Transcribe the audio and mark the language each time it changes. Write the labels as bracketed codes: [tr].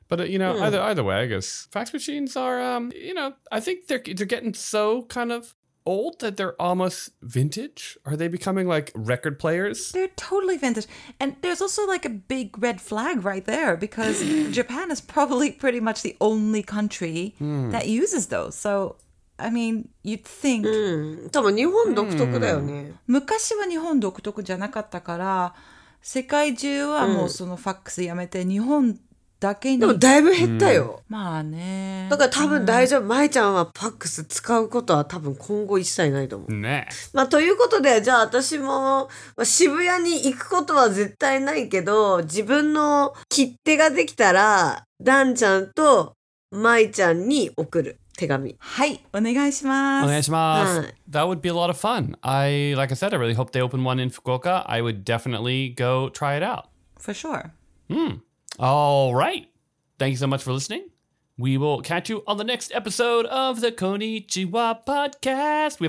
[en] But, you know, either way, I guess fax machines are, you know, I think they're getting so kind of old that they're almost vintage? Are they becoming like record players? They're totally vintage. And there's also like a big red flag right there because Japan is probably pretty much the only country that uses those. So, I mean, you'd think... [ja] 多分日本独特だよね。昔は日本独特じゃなかったから、世界中はもうそのファックスやめて日本だけに。でもだいぶ減ったよ。まあね。だから多分大丈夫。まえちゃんはファックス使うことは多分今後一切ないと思う。ね。まあということで、じゃあ私も、まあ、渋谷に行くことは絶対ないけど、自分の切手ができたら、ダンちゃんとまえちゃんに送る。はい、お願いします。お願いします。 [en] That would be a lot of fun. Like I said, I really hope they open one in Fukuoka. I would definitely go try it out. For sure. All right. Thank you so much for listening. We will catch you on the next episode of the Konnichiwa Podcast.